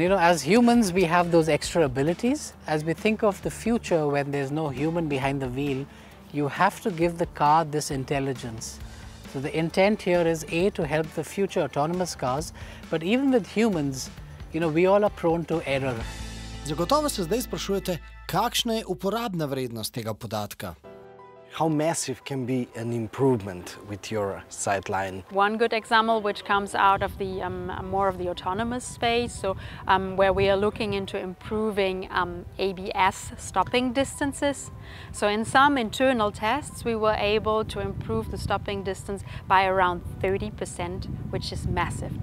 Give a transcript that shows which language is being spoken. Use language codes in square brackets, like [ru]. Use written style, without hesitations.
[en] You know, as humans, we have those extra abilities. As we think of the future when there's no human behind the wheel, you have to give the car this intelligence. So the intent here is A, to help the future autonomous cars, but even with humans, you know, we all are prone to error. [sl] Zagotovo se zdaj sprašujete, kakšna je uporabna vrednost tega podatka? [en] How massive can be an improvement with your sightline? One good example which comes out of the more of the autonomous space, so where we are looking into improving ABS stopping distances. So in some internal tests we were able to improve the stopping distance by around 30%, which is massive.